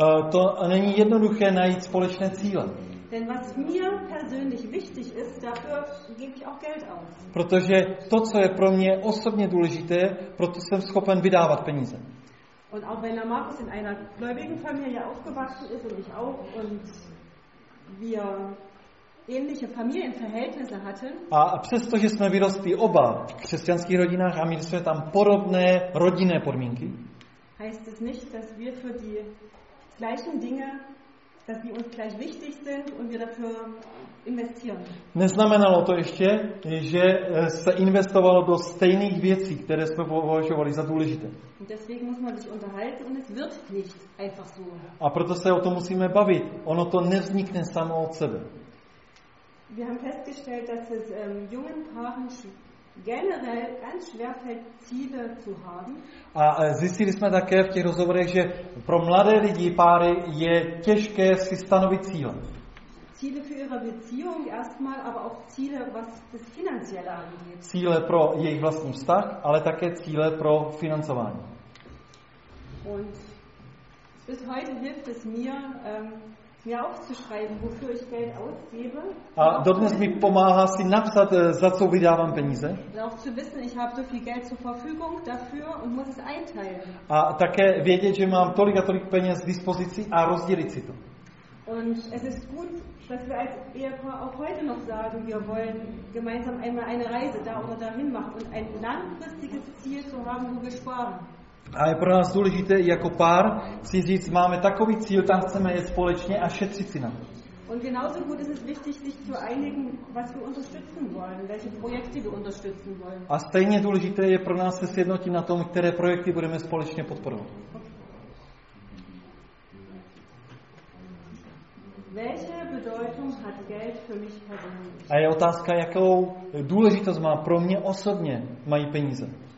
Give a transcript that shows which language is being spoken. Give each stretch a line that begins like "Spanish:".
Czech: To není jednoduché najít společné cíle.
German: Denn was mir persönlich wichtig ist, dafür gebe ich auch Geld aus.
Czech: Protože to, co je pro mě osobně důležité, proto jsem schopen vydávat peníze.
German: Und auch wenn Markus in einer gläubigen Familie aufgewachsen ist und ich auch und wir ähnliche Familienverhältnisse hatten.
Czech: A přesto, že jsme vyrostli oba v křesťanských rodinách a měli jsme tam podobné rodinné podmínky.
German: Heißt es nicht, dass wir für die gleichen Dinge dass die uns gleich wichtig sind und wir dafür investieren.
Czech: Neznamenalo to ještě, že se investovalo do stejných věcí, které jsme považovali za důležité.
German: Und deswegen muss man sich unterhalten und es wird nicht einfach so.
Czech: A proto se o tom musíme bavit. Ono to nevznikne samo od sebe.
German: Wir haben festgestellt, dass es jungen Paaren generell ganz schwer fällt, Ziele zu haben.
Czech: A zjistili jsme také v těch rozhovorech, že pro mladé lidi, páry, je těžké si stanovit cíle.
German: Ziele für ihre Beziehung erstmal, aber auch Ziele, was das Finanzielle angeht.
Czech: Ziele pro jejich vlastní vztah, ale také Ziele pro financování.
German: Und bis heute hilft es mir, mir aufzuschreiben, wofür ich Geld ausgebe.
Czech: A dodnes mi pomáhá si napsat, za co vydávám peníze.
German: Auch zu wissen, ich habe so viel Geld zur Verfügung dafür und muss es einteilen.
Czech: A také vědět, že mám tolik a tolik peněz k dispozici a rozdělit si to.
German: Und es ist gut, dass wir als Ehepaar auch heute noch sagen, wir wollen gemeinsam einmal eine Reise da oder dahin machen und ein langfristiges Ziel zu haben, wo wir sparen.
Czech: A je pro nás důležité jako pár si říct, máme takový cíl, tam chceme jít společně a šetřit si na to.
German: Und genauso gut ist es wichtig, sich zu einigen, was wir unterstützen wollen, welche Projekte wir unterstützen wollen.
Czech: A stejně důležité je pro nás se sjednotit na tom, které projekty budeme společně podporovat.
German: Welche Bedeutung hat Geld für mich persönlich?
Czech: A je otázka, jakou důležitost má pro mě osobně mají peníze.